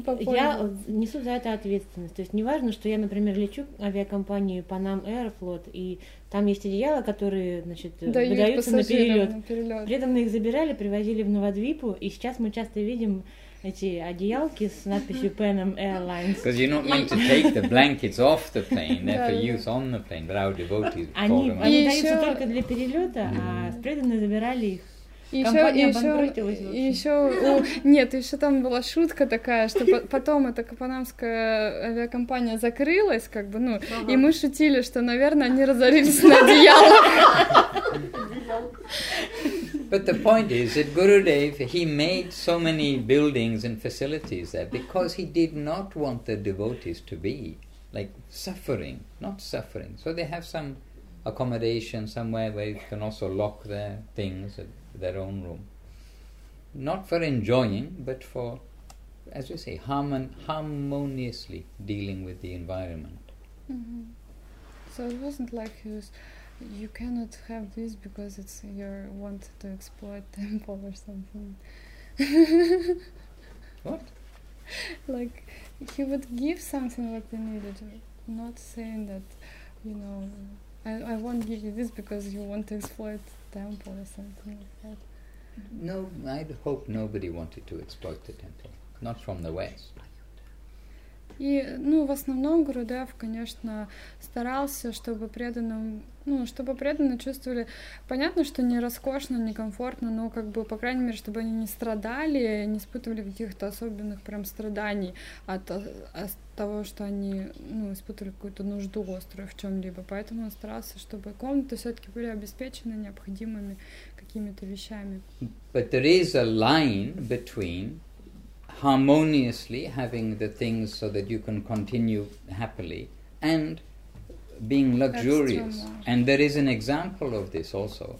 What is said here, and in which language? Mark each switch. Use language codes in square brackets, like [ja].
[ru] Я несу за это ответственность. То есть неважно, что я, например, лечу авиакомпанию Pan Am Aeroflot, и там есть одеяла, которые, значит, выдаются на перелет. Преданные их забирали, привозили в Новодвипу, и сейчас мы часто видим эти одеялки с надписью Pan Am Airlines. [en] Because you're not meant to take the blankets off the plane, they're for use on the plane, but our devotees call them. [ru] Они даются только для перелета, а преданные забирали их. Еще там была шутка такая, что потом эта панамская авиакомпания закрылась, как бы, ну, ага. И мы шутили, что, наверное, они разорились на одеяло. [en] But the point is that Gurudev, he made so many buildings and facilities there because he did not want the devotees to be like suffering, not suffering. So they have some accommodation somewhere where you can also lock their things. Their own room, not for enjoying, but for, as we say, harmoniously dealing with the environment. Mm-hmm. So it wasn't like you cannot have this because it's your want to exploit temple or something. What? Like he would give something what they needed, not saying that, you know, I won't give you this because you want to exploit temple or something like that. No, I'd hope nobody wanted to exploit the temple. Not from the West. [ru] ну, в основном Гурудев, конечно, старался, чтобы преданным, ну, чтобы преданные чувствовали, понятно, что не роскошно, не комфортно, но как бы, по крайней мере, чтобы они не страдали, не испытывали каких-то особенных прям страданий от того, что они, ну, испытывали какую-то нужду острую в чем-либо. Поэтому он старался, чтобы комнаты все-таки были обеспечены необходимыми какими-то вещами. [en] But there is a line between harmoniously having the things so that you can continue happily and being luxurious. And there is an example of this also,